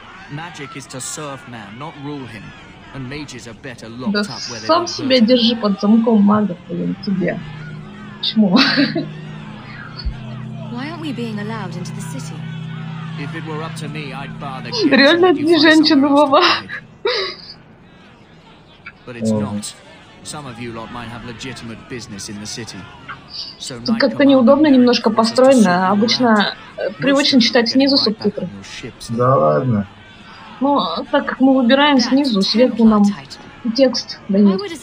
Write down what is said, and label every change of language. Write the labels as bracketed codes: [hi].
[en] Magic is to serve man, not rule him. And mages are better locked up where they are. [ru] Да сам себя держи под замком, мага, блин, тебе. Чмо. [en] Why aren't we being allowed into the city? If it were up to me, I'd bar the gates. [ru] Реально это не женщина, баба. [en] But it's not. Some of you lot might have legitimate business in the city. [ru] Тут как-то неудобно немножко построено. Обычно привычно читать снизу субтитры. Да ладно. Ну, так как мы выбираем снизу, сверху нам текст дают.